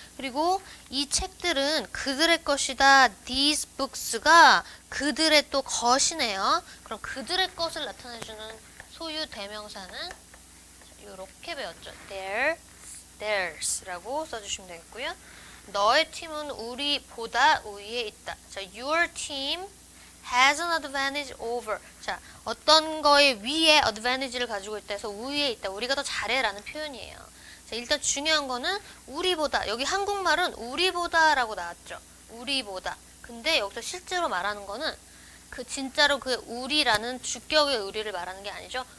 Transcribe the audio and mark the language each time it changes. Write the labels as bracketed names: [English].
[Korean] 그리고 이 책들은 그들의 것이다. These books 가 그들의 또 것이네요. 그럼 그들의 것을 나타내주는 소유 대명사는 이렇게 배웠죠. theirs라고 써주시면 되겠고요. 너의 팀은 우리보다 위에 있다. [English] 자, your team has an advantage over. [Korean] 자, 어떤 거에 위에 advantage를 가지고 있다 해서 위에 있다. 우리가 더 잘해라는 표현이에요. 자, 일단 중요한 거는 우리보다. 여기 한국말은 우리보다라고 나왔죠. 우리보다. 근데 여기서 실제로 말하는 거는 그 진짜로 그 우리라는 주격의 우리를 말하는 게 아니죠.